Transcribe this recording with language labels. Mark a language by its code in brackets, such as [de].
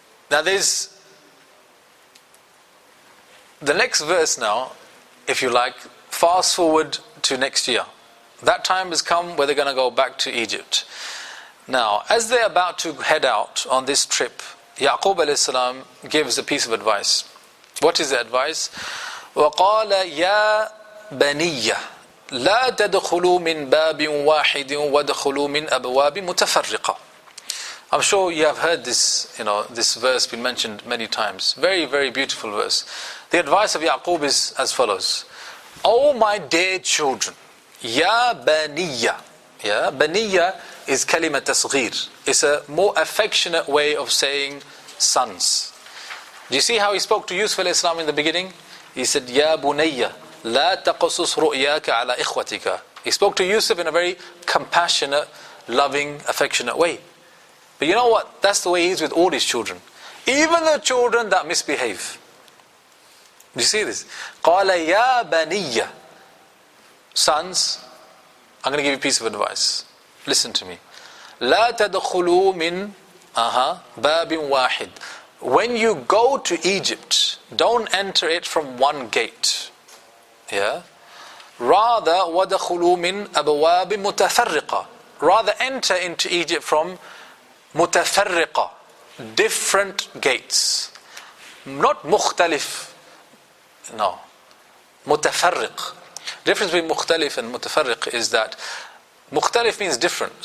[en] Now there's the next verse now, if you like, fast forward to next year. That time has come where they're going to go back to Egypt. Now, as they're about to head out on this trip, Yaqub alayhi salam gives a piece of advice. What is the advice? [ar] وَقَالَ يَا بَنِيَّ لا تدخلوا من باب واحد ودخلوا من أبواب متفرقة. [en] I'm sure you have heard this, you know, this verse been mentioned many times. Very, very beautiful verse. The advice of Yaqub is as follows. Oh my dear children, [ar] يا بنية. يا بنية [en] is [ar] كلمة تصغير. [en] It's a more affectionate way of saying sons. Do you see how he spoke to Yusuf alayhi salam in the beginning? He said, [ar] يا بنية. لا تقصص رؤياك على إخوتك. [en] He spoke to Yusuf in a very compassionate, loving, affectionate way. But you know what? That's the way he is with all his children. Even the children that misbehave. Do you see this? [ar] قال يا بنية. [en] Sons, I'm going to give you a piece of advice. Listen to me. [ar] لا تدخلوا من باب واحد. [en] When you go to Egypt, don't enter it from one gate. Yeah. Rather, [ar] وَدَخُلُوا مِنْ أَبْوَابٍ مُتَفَرِّقَ. [en] Rather, enter into Egypt from متَفَرِّقَ. Different gates. Not مُخْتَلِف. No. متَفَرِّق. Difference between مُخْتَلِف and متَفَرِّق is that مُخْتَلِف means different.